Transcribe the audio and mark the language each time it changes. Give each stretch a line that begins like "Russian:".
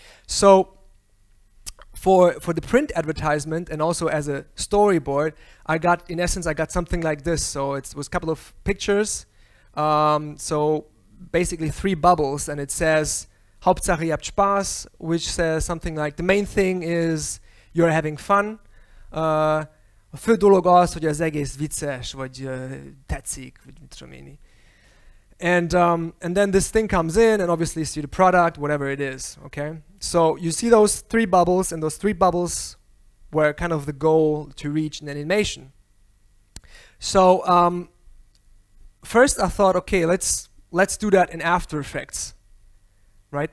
English: So for the print advertisement and also as a storyboard, I got something like this. So it was a couple of pictures. So basically three bubbles, and it says
German: Hauptsache ihr habt Spaß,
English: which says something like the main thing is you're having fun.
Hungarian: A fő dolog az, hogy az egész vicces, vagy tetszik, vagy mit tudom én.
English: And then this thing comes in, and obviously you see the product, whatever it is, okay? So you see those three bubbles, and those three bubbles were kind of the goal to reach in animation. So first I thought, okay, let's do that in After Effects, right?